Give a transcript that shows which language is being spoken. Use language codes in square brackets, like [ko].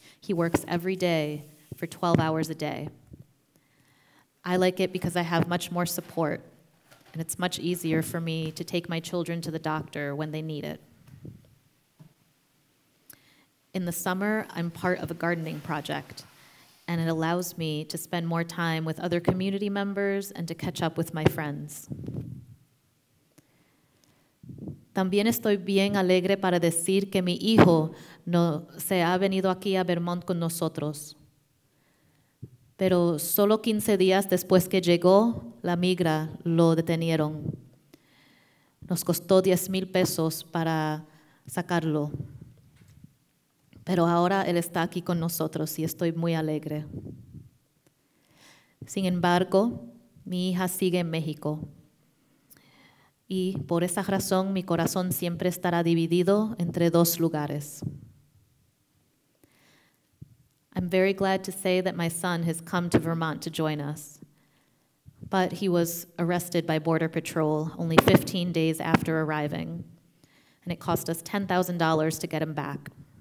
[en] He works every day for 12 hours a day. I like it because I have much more support and it's much easier for me to take my children to the doctor when they need it. In the summer, I'm part of a gardening project. And it allows me to spend more time with other community members and to catch up with my friends. [es] También estoy bien alegre para decir que mi hijo no se ha venido aquí a Vermont con nosotros. Pero solo 15 días después que llegó, la migra lo detenieron. Nos costó 10,000 pesos para sacarlo. Pero ahora él está aquí con nosotros y estoy muy alegre. Sin embargo, mi hija sigue en México. Y por esa razón, mi corazón siempre estará dividido entre dos lugares. [en] I'm very glad to say that my son has come to Vermont to join us. But he was arrested by Border Patrol only 15 days after arriving, and it cost us $10,000 to get him back.